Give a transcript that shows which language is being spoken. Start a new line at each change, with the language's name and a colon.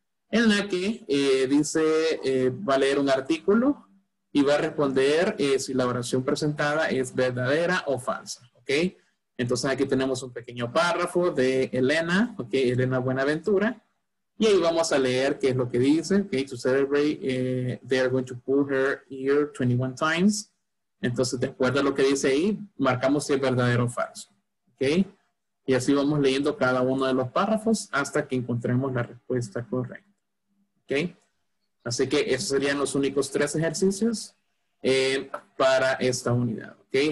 Spanish: En la que dice, va a leer un artículo y va a responder si la oración presentada es verdadera o falsa, ¿ok? Entonces aquí tenemos un pequeño párrafo de Elena, ¿ok? Elena Buenaventura. Y ahí vamos a leer qué es lo que dice, ¿ok?
English: To celebrate, they are going to pull her ear 21 times.
Spanish: Entonces, de acuerdo a lo que dice ahí, marcamos si es verdadero o falso. Okay. Y así vamos leyendo cada uno de los párrafos hasta que encontremos la respuesta correcta. Okay. Así que esos serían los únicos tres ejercicios para esta unidad. Okay.